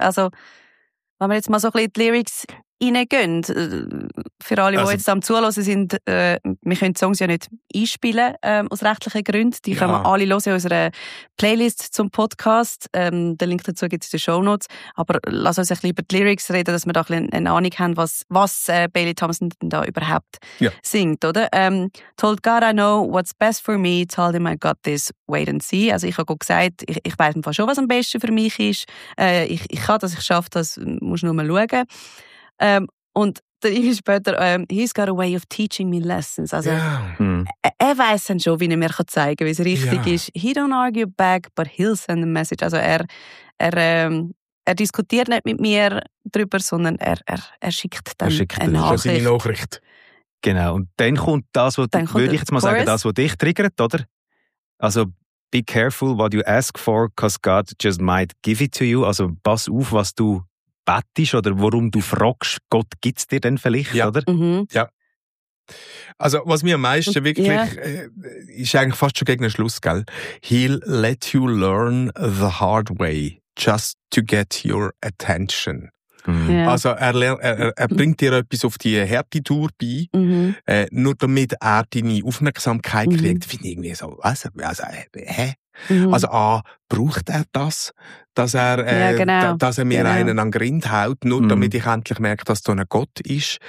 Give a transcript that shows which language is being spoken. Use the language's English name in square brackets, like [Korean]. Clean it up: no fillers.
[German] Also, wenn wir jetzt mal so ein bisschen die Lyrics reingehen, für alle, die jetzt am Zuhören sind, wir können die Songs ja nicht einspielen, aus rechtlichen Gründen. Die können wir alle hören in unserer Playlist zum Podcast. Den Link dazu gibt es in den Shownotes. Aber lass uns ein bisschen über die Lyrics reden, dass wir da ein bisschen eine Ahnung haben, was Bailey Thompson denn da überhaupt singt, oder? [English] Told God I know what's best for me, told him I got this, wait and see. [German] Also ich habe gesagt, ich weiß im Fall schon, was am besten für mich ist. Ich kann das, ich schaffe das, muss nur mal schauen. Und dann ist später, [English] he's got a way of teaching me lessons. [German] Also, er weiß dann schon, wie er mir zeigen kann, wie es richtig ist. [English] He don't argue back, but he'll send a message. [German] Also, er diskutiert nicht mit mir drüber, sondern er schickt dann eine Nachricht. eine Nachricht. Genau. Und dann kommt das, was dich triggert, oder? [English] Also, be careful what you ask for, because God just might give it to you. [German] Also, pass auf, was du bettisch oder warum du fragst, Gott gibt es dir denn vielleicht, oder? Ja. Also was mir am meisten wirklich, ist eigentlich fast schon gegen den Schluss, gell? [English] He'll let you learn the hard way just to get your attention. [German] Also er bringt dir etwas auf die harte Tour bei, nur damit er deine Aufmerksamkeit kriegt. Finde ich irgendwie so, was? Also, hä? Also A, braucht er das, dass er, dass er mir einen an Grind hält, nur damit ich endlich merke, dass da ein Gott ist?